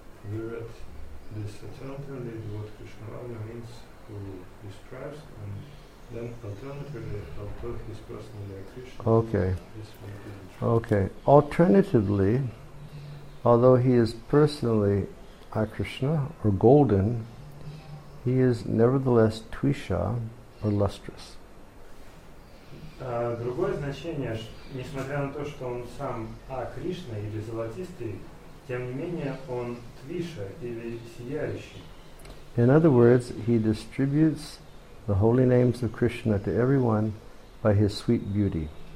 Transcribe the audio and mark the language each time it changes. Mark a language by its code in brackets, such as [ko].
[en] We're at this alternatively, what Krishna Varnam means, who describes, and then alternatively, although he is personally a Krishna. Okay. Alternatively, although he is personally a Krishna or golden, he is nevertheless Tvisha or lustrous. [ru] Другое значение, несмотря на то, что он сам Акришна или золотистый, тем не менее он Твиша или сияющий. [en] In other words, he distributes the holy names of Krishna to everyone by his sweet beauty.